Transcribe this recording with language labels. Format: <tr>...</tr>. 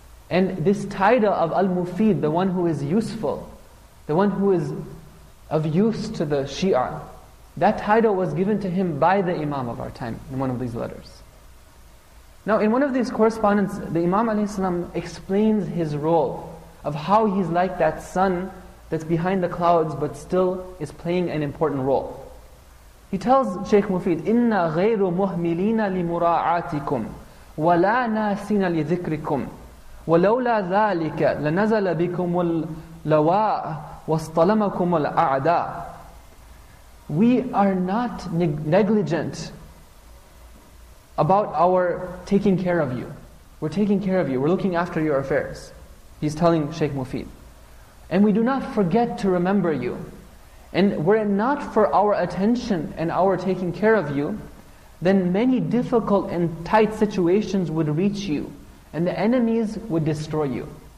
<en>And this title of Al-Mufid, the one who is useful, the one who is of use to the Shia, that title was given to him by the imam of our time in one of these letters. Now, in one of these correspondences, the imam alayhisalam explains his role of how he's like that sun that's behind the clouds but still is playing an important role. He tells Shaykh Mufid,</en> <ar>إِنَّا غَيْرُ مُهْمِلِينَ لِمُرَاعَاتِكُمْ وَلَا نَاسِينَ لِذِكْرِكُمْ وَلَوْلَا ذَلِكَ لَنَزَلَ بِكُمُ اللَّوَاءَ وَاسْطَلَمَكُمُ الْأَعْدَاءَ.</ar> <en>We are not negligent about our taking care of you. We're taking care of you. We're looking after your affairs. He's telling Shaykh Mufid. And we do not forget to remember you. And were it not for our attention and our taking care of you, then many difficult and tight situations would reach you, and the enemies would destroy you.</en>